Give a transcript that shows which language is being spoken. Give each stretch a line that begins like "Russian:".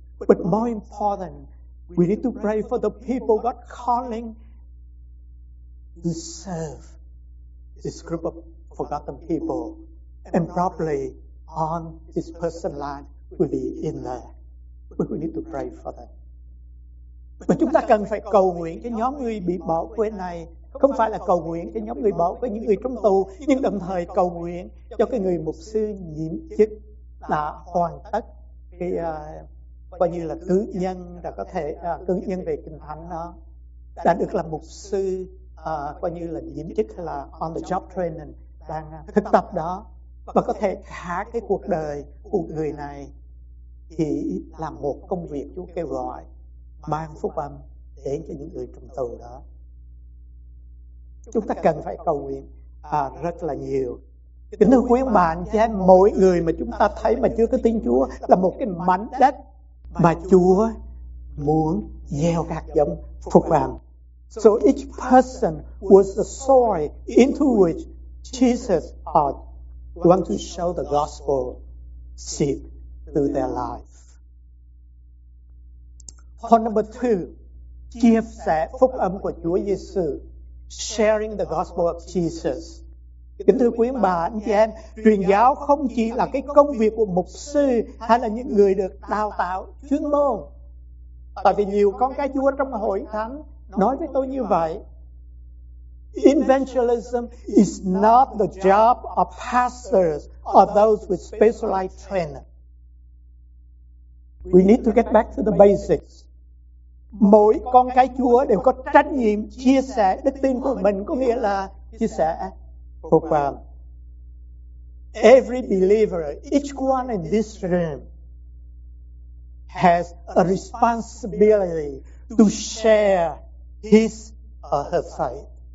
English: But more important, we need to pray for the people God calling to serve this group of forgotten people. And probably on this person's life will be in there. But we need to pray for them.
Vietnamese: Và chúng ta cần phải cầu nguyện cho nhóm người bị bỏ quên này. Không phải là cầu nguyện cho nhóm người bỏ quên, những người trong tù, nhưng đồng thời cầu nguyện cho cái người mục sư nhiệm chức đã hoàn tất cái coi như là cử nhân, đã có thể cử nhân về Kinh Thánh đó, đã được làm mục sư, coi như là nhiệm chức hay là
English: on the job training,
Vietnamese: đang thực tập đó, và có thể khá cái cuộc đời của người này chỉ làm một công việc Chúa kêu gọi, mang phúc âm đến cho những người trong tù đó. Chúng ta cần phải cầu nguyện rất là nhiều. Kính thưa quý ông bà, mỗi người mà chúng ta thấy mà chưa có tin Chúa là một cái mảnh đất mà Chúa muốn gieo các giống phúc âm.
English: So each person was the soil into which Jesus wanted to show the gospel seed through their life. Point number two, Kiev said,
Vietnamese: Phúc âm của Chúa Giêsu,
English: sharing the gospel of Jesus.
Vietnamese: Kính thưa quý ông bà, anh chị em, truyền giáo không chỉ là cái công việc của mục sư hay là những người được đào tạo chuyên môn. Tại vì nhiều con cái Chúa trong hội thánh nói với tôi như vậy.
English: Evangelism is not the job of pastors or those with specialized training. We need to get back to the basics.
Vietnamese: Mỗi con cái Chúa đều có trách nhiệm chia sẻ đức tin của mình, có nghĩa là chia sẻ phục âm.
English: Every believer, each one in this room, has a responsibility to share his or her faith.